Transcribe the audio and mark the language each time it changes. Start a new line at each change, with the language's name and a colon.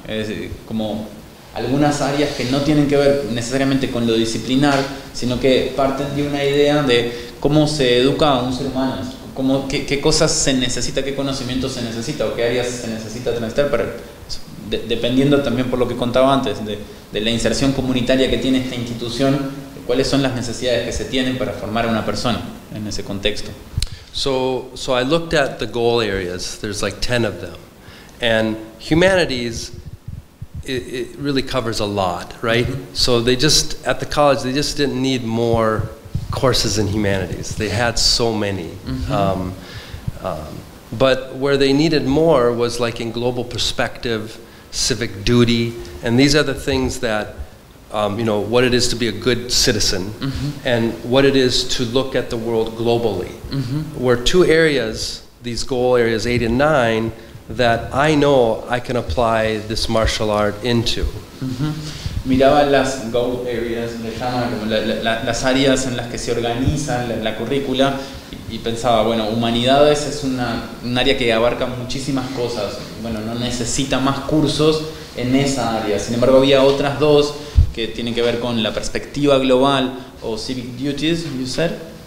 Spanish: Es decir, como algunas áreas que no tienen que ver necesariamente con lo disciplinar, sino que parten de una idea de cómo se educa a un ser humano, cómo, qué cosas se necesita, qué conocimiento se necesita, o qué áreas se necesita transitar, pero dependiendo también por lo que contaba antes, de la inserción comunitaria que tiene esta institución, cuáles son las necesidades que se tienen para formar a una persona en ese contexto.
English: So I looked at the goal areas. There's like 10 of them. And humanities, it really covers a lot, right? Mm-hmm. So they just, at the college, they just didn't need more courses in humanities. They had so many. Mm-hmm. But where they needed more was like in global perspective, civic duty, and these are the things that, you know, what it is to be a good citizen, mm-hmm. and what it is to look at the world globally. Mm-hmm. Were two areas, these goal areas 8 and 9, that I know I can apply this martial art into. Mm-hmm.
Spanish: Miraba las goal areas, las áreas en las que se organiza la currícula, y pensaba, bueno, humanidades es un área que abarca muchísimas cosas, bueno, no necesita más cursos en esa área. Sin embargo, había otras dos que tienen que ver con la perspectiva global o
English: civic duties, you said?